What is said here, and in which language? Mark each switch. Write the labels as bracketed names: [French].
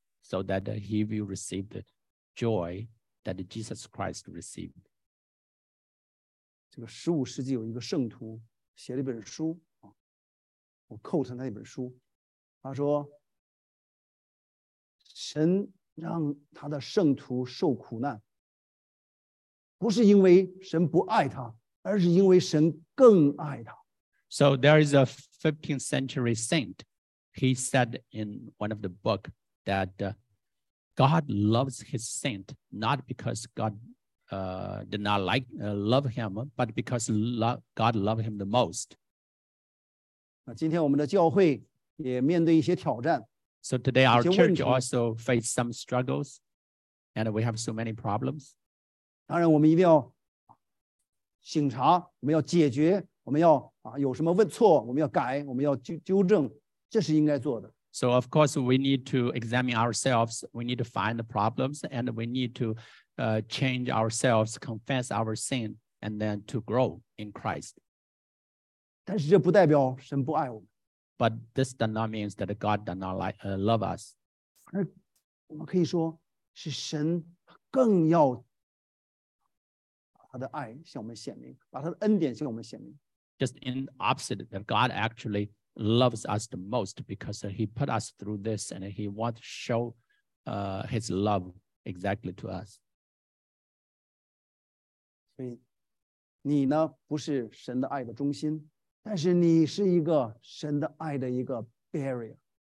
[English] So that he will receive the joy that Jesus Christ received. [Chinese] 这个十五世纪有一个圣徒写了一本书，我quote他那本书，他说神让他的圣徒受苦难不是因为神不爱他，而是因为神更爱他。 [English] So there is a 15th century saint. He said in one of the book that God loves his saint not because God did not like love him, but because God loved him the most. [Chinese] 今天我们的教会也面对一些挑战。 [English] So today our church also faced some struggles, and we have so many problems. [Chinese] 当然我们一定要省察，我们要解决，我们要有什么问错，我们要改，我们要 纠正，这是应该做的。 [English] So of course we need to examine ourselves, we need to find the problems, and we need to change ourselves, confess our sin, and then to grow in Christ. [Chinese] 但是这不代表神不爱我们。 [English] But this does not mean that God does not love us. [Chinese] 而我们可以说是神更要他的爱向我们显明，把他的恩典向我们显明。 [English] Just in opposite, that God actually loves us the most because he put us through this and he wants to show his love exactly to us. [Chinese] 所以你呢不是神的爱的中心，但是你是一个神的爱的一个 barrier.